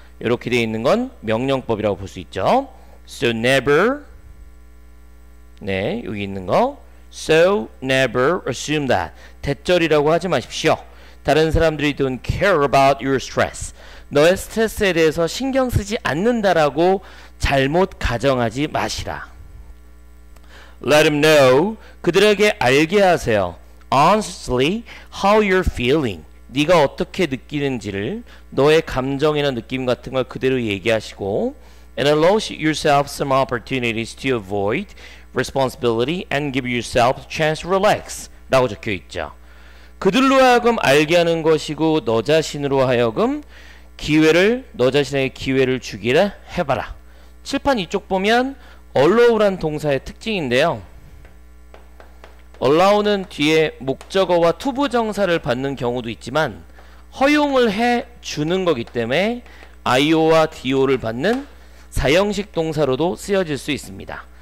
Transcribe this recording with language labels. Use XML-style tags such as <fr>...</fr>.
<ko>이렇게 되어 있는 건 명령법이라고 볼 수 있죠.</ko> <en>So never,</en> <ko>네 여기 있는 거,</ko> <en>so never assume that,</en> <ko>대절이라고 하지 마십시오. 다른 사람들이</ko> <en>don't care about your stress,</en> <ko>너의 스트레스에 대해서 신경 쓰지 않는다라고 잘못 가정하지 마시라.</ko> <en>Let them know,</en> <ko>그들에게 알게 하세요.</ko> <en>Honestly, how you're feeling,</en> <ko>네가 어떻게 느끼는지를, 너의 감정이나 느낌 같은 걸 그대로 얘기하시고,</ko> <en>and allow yourself some opportunities to avoid responsibility and give yourself a chance to relax</en> <ko>라고 적혀 있죠. 그들로 하여금 알게 하는 것이고 너 자신으로 하여금 기회를, 너 자신에게 기회를 주기라 해봐라. 칠판 이쪽 보면 allow란 동사의 특징인데요. allow는 뒤에 목적어와 to부 정사를 받는 경우도 있지만 허용을 해 주는 거기 때문에 io와 do를 받는 사형식 동사로도 쓰여질 수 있습니다.</ko>